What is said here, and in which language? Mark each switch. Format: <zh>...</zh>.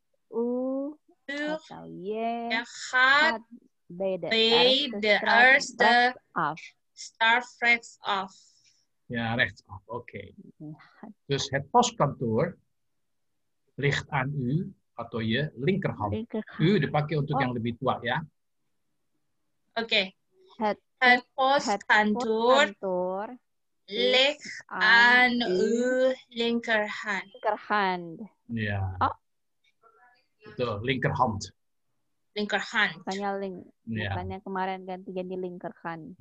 <nl>U</nl> <id>atau</id> <nl>jij gaat bij de eerste straat rechts af. Ja, rechts af. Oké. Okay. Dus het postkantoor ligt aan u</nl> <id>atau</id> <nl>je linkerhand.</nl> <id>U dipakai untuk yang lebih tua ya. Oke. Okay.</id> <nl>Het postkantoor Leg an u linkerhand. Linkerhand. Ya. Yeah. Oh.</nl> <id>Itu</id> <nl>linkerhand. Linkerhand.</nl> <id>Makanya link. Yeah. Makanya kemarin ganti jadi linkerhand.</id>